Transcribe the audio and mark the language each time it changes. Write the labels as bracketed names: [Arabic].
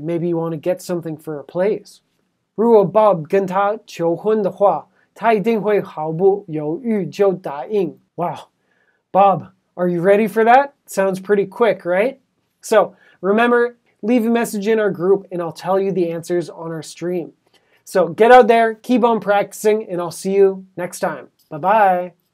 [English] Maybe you want to get something for a place. [Chinese] 如果 Bob 跟他求婚的话，他一定会毫不犹豫就答应。 [English] Wow. Bob, are you ready for that? Sounds pretty quick, right? So, remember, leave a message in our group and I'll tell you the answers on our stream. So, get out there, keep on practicing, and I'll see you next time. Bye-bye.